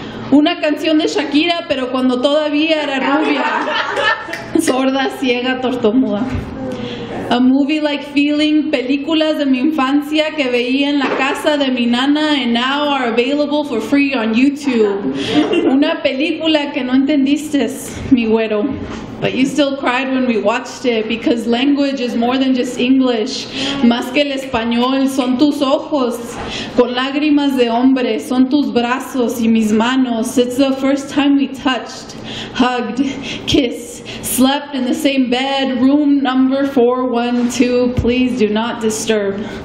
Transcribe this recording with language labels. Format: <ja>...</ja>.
<es>Una canción de Shakira, pero cuando todavía era rubia, sorda, ciega, tortomuda.</es> <en>A movie like feeling,</en> <es>películas de mi infancia que veía en la casa de mi nana</es> <en>and now are available for free on YouTube.</en> <es>Una película que no entendiste, mi güero.</es> <en>But you still cried when we watched it, because language is more than just English.</en> <es>Más que el español, son tus ojos, con lágrimas de hombre, son tus brazos y mis manos.</es> <en>It's the first time we touched, hugged, kissed, slept in the same bed, room number 412, please do not disturb.</en>